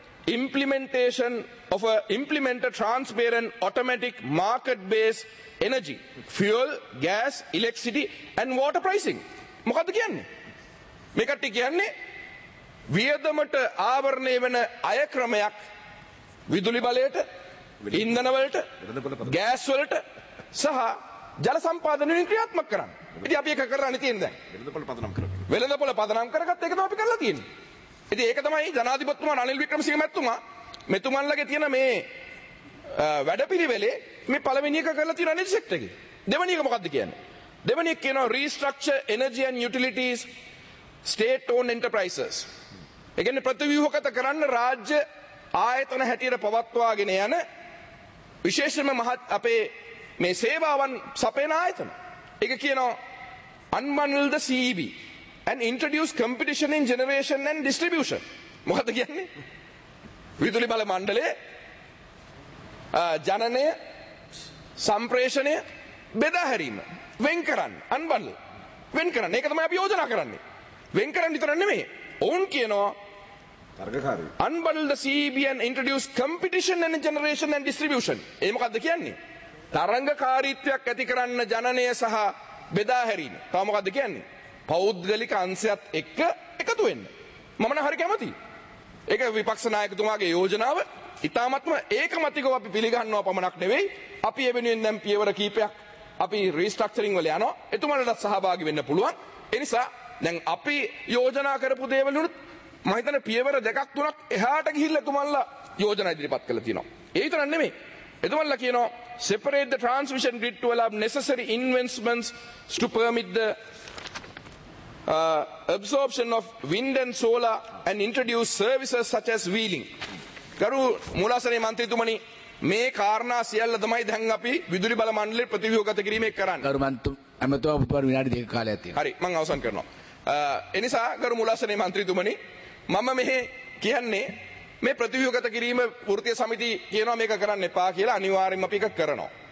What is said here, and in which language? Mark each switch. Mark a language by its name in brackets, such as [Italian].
[English] Implementation of a implement a transparent automatic market based energy fuel gas electricity and water pricing. [Sinhala] මොකද්ද කියන්නේ? මේ කට්ටිය කියන්නේ වියදමට ආවරණය වෙන අය ක්‍රමයක් විදුලි බලයට, ඉන්ධන වලට, ගෑස් වලට සහ ජල සම්පාදන වලින් ක්‍රියාත්මක කරන්න. ඉතින් අපි එක කරන්නේ තියෙන දැන් වෙළඳපොළ පදනම් කරගන්න. වෙළඳපොළ පදනම් කරගත්ත එක තමයි අපි කරලා තියෙන්නේ. ඉතින් ඒක තමයි ජනාධිපතිතුමා රනිල් වික්‍රමසිංහ මැතිතුමා මෙතුමන්ලගේ තියෙන මේ වැඩපිළිවෙලේ මේ පළවෙනි එක කරලා තියෙන රනිල් සෙක්ටර් එකේ. දෙවෙනි එක මොකද්ද කියන්නේ? දෙවෙනි එක කියනවා [English] restructure energy and utilities state owned enterprises. [Sinhala] ඒ කියන්නේ ප්‍රතිව්‍යුහගත කරන්න රාජ්‍ය ආයතන හැටියට පවත්වාගෙන යන විශේෂම මහත් අපේ මේ සේවාවන් සපේන ආයතන. ඒක කියනවා [English] unbundle the CEB and introduce competition in generation and distribution. [Sinhala] මොකද කියන්නේ? විදුලි බල මණ්ඩලය ජනනය සම්ප්‍රේෂණය බෙදා හැරීම වෙන් කරන්න අන්බන්ඩල් වෙන් කරන්න ඒක තමයි අපි යෝජනා කරන්නේ. වෙන් කරන්න විතර නෙමෙයි. ඔවුන් කියනවා [English] Unbundle the CEB and introduce competition and generation and distribution. [Sinhala] ඒ මොකද්ද කියන්නේ? තරඟකාරීත්වයක් ඇති කරන්න ජනනය සහ බෙදා හැරීම. තව මොකද්ද කියන්නේ? පෞද්ගලික අංශයත් එක්ක එකතු වෙන්න. මම නම් හරි කැමතියි. ඒක විපක්ෂ නායකතුමාගේ යෝජනාව. ඉතාමත්ම ඒකමතිකව අපි පිළිගන්නව පමණක් නෙවෙයි. අපි එවෙනුවෙන් දැන් පියවර කීපයක් අපි restructuring වල යනවා. එතුමාලටත් සහභාගී වෙන්න පුළුවන්. ඒ නිසා දැන් අපි යෝජනා කරපු දේවල් උනත් මම හිතන්නේ පියවර දෙකක් තුනක් එහාට ගිහිල්ලා එතුමාලා යෝජනා ඉදිරිපත් කරලා තියෙනවා. ඒ විතරක් නෙමෙයි. එතුමාලා කියනවා [English] separate the transmission grid to allow necessary investments to permit the absorption of wind and solar and introduce services such as wheeling. [Sinhala] ගරු මූලාසනේ මන්ත්‍රීතුමනි මේ කාරණා සියල්ල තමයි දැන් අපි විදුලි බල මණ්ඩලෙ ප්‍රතිව්‍යුහගත කිරීමේ කරන්නේ. ගරු මන්ත්‍රීතුමා උපකාර විනාඩි දෙක කාලයක් තියෙනවා. හරි මම අවසන් කරනවා. ඒ නිසා ගරු මූලාසනේ මන්ත්‍රීතුමනි මම මෙහි කියන්නේ මේ ප්‍රතිව්‍යුහගත කිරීම වෘත්තීය සමිතිය කියනවා මේක කරන්න එපා කියලා අනිවාර්යයෙන්ම අපි ඒක කරනවා.